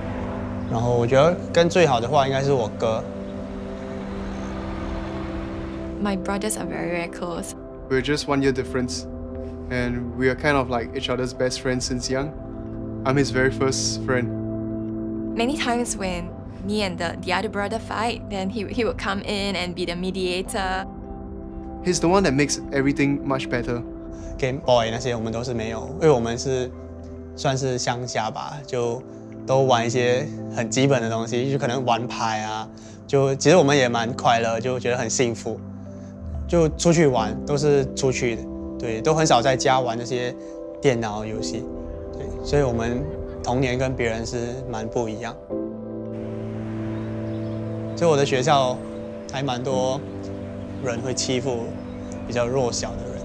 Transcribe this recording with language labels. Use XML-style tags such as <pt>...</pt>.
<zh>我们家庭其实很爱，然后我觉得跟最好的话应该是我哥。</zh> <en>My brothers are very, very close. We're just 1 year difference, and we are kind of like each other's best friends since young. I'm his very first friend. Many times when me and the other brother fight, then he would come in and be the mediator. He's the one that makes everything much better.</en> <zh>Game Boy 那些我们都是没有，因为我们是算是乡下吧，就都玩一些很基本的东西，就可能玩牌啊，就其实我们也蛮快乐，就觉得很幸福，就出去玩都是出去的，对，都很少在家玩那些电脑游戏，对，所以我们童年跟别人是蛮不一样。就我的学校还蛮多人会欺负比较弱小的。</zh>